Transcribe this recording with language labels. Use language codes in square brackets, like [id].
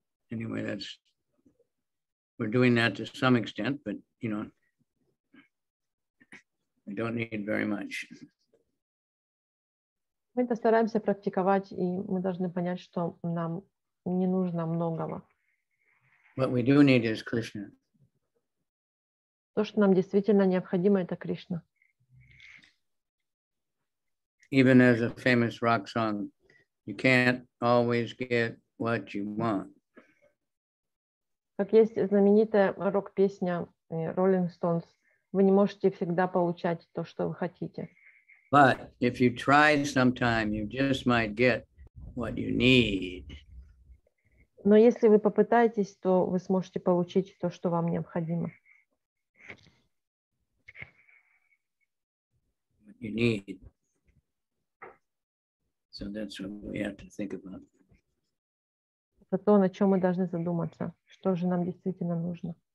[en] Anyway, that's, we're doing that to some extent, but, you know, we don't need very much. [ru] Мы это стараемся практиковать, и мы должны понять, что нам не нужно многого. [en] What we do need is Krishna. [ru] То, что нам действительно необходимо, это Кришна. [en] Even as a famous rock song, you can't always get what you want. [ru] Как есть знаменитая рок-песня Rolling Stones, вы не можете всегда получать то, что вы хотите. [en] But if you try sometime, you just might get what you need. [ru] Но если вы попытаетесь, то вы сможете получить то, что вам необходимо. [en] What you need. So that's what we have to think about. [ru] Это то, на чем мы должны задуматься. Что же нам действительно нужно?